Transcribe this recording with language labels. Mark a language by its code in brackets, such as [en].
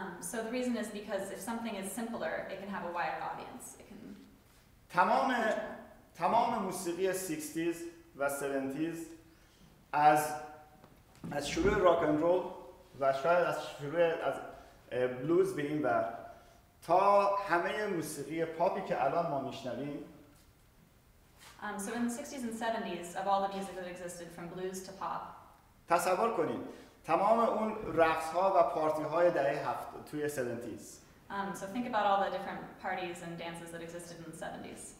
[en] So the reason is because if something is simpler, it can have a wider audience. It can. [fa] تمام موسیقی 60s و 70s از شروع راک اند رول و شاید از شروع از بلوز به این ور تا همه موسیقی پاپی که الان ما میشنویم. [en] So in the 60s and 70s, of all the music that existed from blues to pop. [fa] تصور کنید. تمام اون رقص ها و پارتی های دهه 70 توی 70s. [en] So think about all the different parties and dances that existed in the 70s.